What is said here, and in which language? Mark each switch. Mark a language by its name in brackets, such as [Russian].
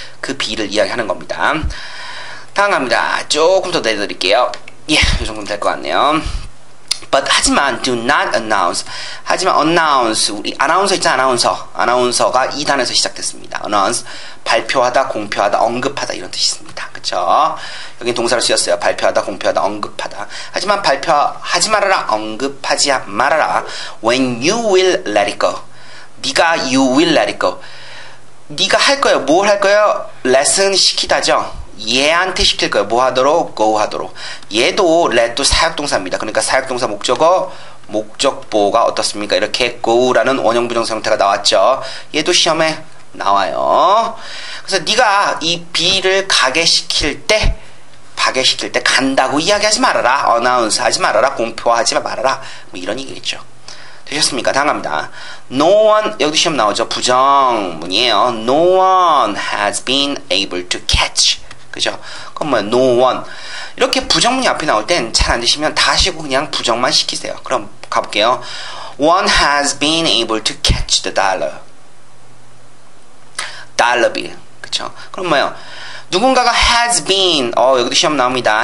[Korean] 그 비를 이야기하는 겁니다. 다음 갑니다. 조금 더 내드릴게요. 예, 이 정도면 될 것 같네요. [English] But, [Korean] 하지만, [English] do not announce. [Korean] 하지만, announce. 우리, 아나운서 있죠? 아나운서. 아나운서가 2단에서 시작됐습니다. announce. 발표하다, 공표하다, 언급하다. 이런 뜻이 있습니다. 그쵸? 여긴 동사를 쓰였어요. 발표하다, 공표하다, 언급하다. 하지만, 발표하지 말아라. 언급하지 말아라. [English] When you will let it go. [Korean] 네가 [English] you will let it go. [Korean] 네가 할 거예요. 뭘 할 거예요? lesson 시키다죠? 얘한테 시킬 거예요. 뭐 하도록? go 하도록. 얘도 let도 사역동사입니다. 그러니까 사역동사 목적어, 목적보가 어떻습니까? 이렇게 go라는 원형부정사 형태가 나왔죠. 얘도 시험에 나와요. 그래서 네가 이 B를 가게 시킬 때, 가게 시킬 때 간다고 이야기하지 말아라. announce 하지 말아라. 공표하지 말아라. 뭐 이런 얘기겠죠. 되셨습니까? 다음 갑니다. [English] No one, [Korean] 여기도 시험 나오죠. 부정문이에요. [English] No one has been able to catch. [Korean] 그죠? 그럼 뭐 no one. 이렇게 부정문이 앞에 나올 땐 잘 안 되시면 다 하시고 그냥 부정만 시키세요. 그럼 가볼게요. [English] One has been able to catch the dollar. [Korean] Dollar bill. 그죠? 그럼 뭐요? 누군가가 has been, 여기도 시험 나옵니다.